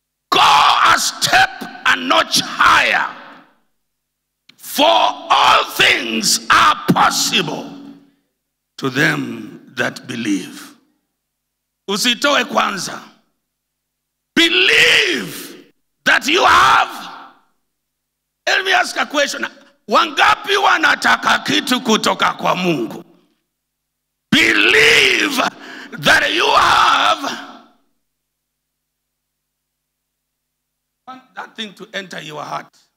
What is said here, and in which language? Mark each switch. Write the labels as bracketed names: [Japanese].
[English] Go a step a notch higher. For all things are possible to them that believe. [Swahili] Usitoe kwanza. [English] Believe that you have. Let me ask a question. [Swahili] Wangapi wanataka kitu kutoka kwa Mungu? [English] Believe that you have that thing to enter your heart.